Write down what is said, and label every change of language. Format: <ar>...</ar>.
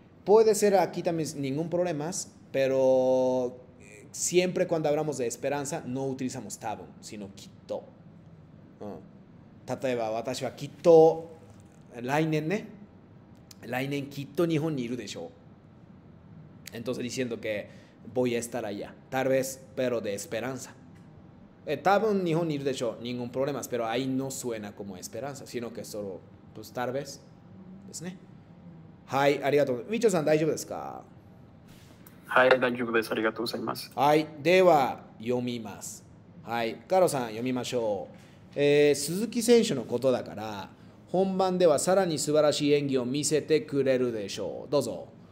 <es>Puede ser aquí también ningún problema, pero siempre cuando hablamos de esperanza no utilizamos tabun, sino quito.</es> <ja>例えば私はきっと来年ね、来年きっと日本にいるでしょう。</ja> <es>Entonces diciendo que voy a estar allá, tal vez, pero de esperanza.</es> <ja>多分日本にいるでしょう。</ja> <es>ningún problema, pero ahí no suena como esperanza, sino que solo, pues tal vez,</es> <ja>ですね。ありがとう。みちょさん、大丈夫ですか？はい、大丈夫です。ありがとうございます。では、読みます。カロさん、読みましょう。鈴木選手のことだから、本番ではさらに素晴らしい演技を見せてくれるでしょう。どうぞ。</ja>